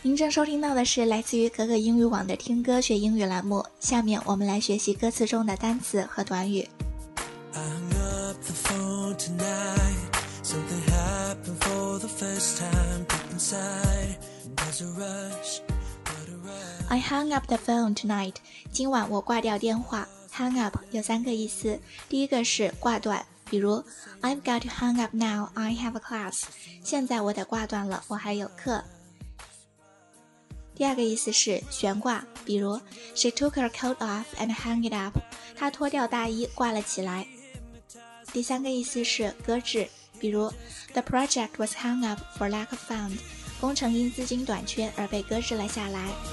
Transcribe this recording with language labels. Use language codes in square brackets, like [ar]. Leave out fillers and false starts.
[zh] 收听到的是来自于格格英语网的听歌学英语栏目，下面我们来学习歌词中的单词和短语。 [en] I hung up the phone tonight, something happened for the first time, deep inside, there's a rush, but a rush. I hung up the phone tonight, [zh] 今晚我挂掉电话。 Hung up 有三个意思，第一个是挂断，比如 [en] I've got to hang up now, I have a class, [zh] 现在我得挂断了，我还有课。第二个意思是悬挂，比如 [en] She took her coat off and hung it up， [zh] 她脱掉大衣挂了起来。第三个意思是搁置，比如 [en] The project was hung up for lack of fund， [zh] 工程因资金短缺而被搁置了下来。